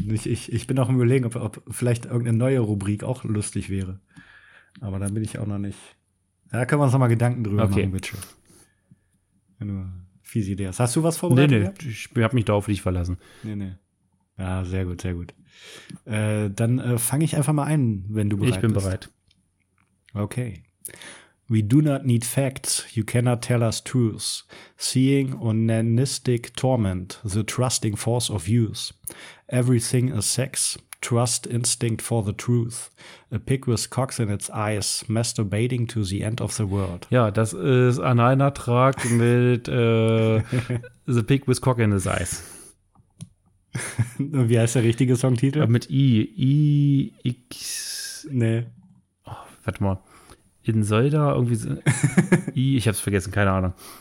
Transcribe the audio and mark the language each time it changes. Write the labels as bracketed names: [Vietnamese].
[German] Ich bin auch im Überlegen, ob vielleicht irgendeine neue Rubrik auch lustig wäre. Aber dann bin ich auch noch nicht. Da können wir uns nochmal Gedanken drüber machen, bitte. Wenn du fiese Idee hast. Hast du was vorbereitet? Nee, gehabt? Ich habe mich da auf dich verlassen. Nee. Ja, sehr gut, sehr gut. Dann fange ich einfach mal ein, wenn du bereit bist. Ich bin bereit. Okay. [English] We do not need facts. You cannot tell us truths. Seeing onanistic torment, the trusting force of youth. Everything is sex. Trust instinct for the truth. A pig with cocks in its eyes, masturbating to the end of the world. [German] Ja, das ist ein Eintrag mit The Pig with Cock in His Eyes. Wie heißt der richtige Songtitel? Mit I. I-X. Nee. Oh, warte mal. In Solda irgendwie. I, ich hab's vergessen, keine Ahnung.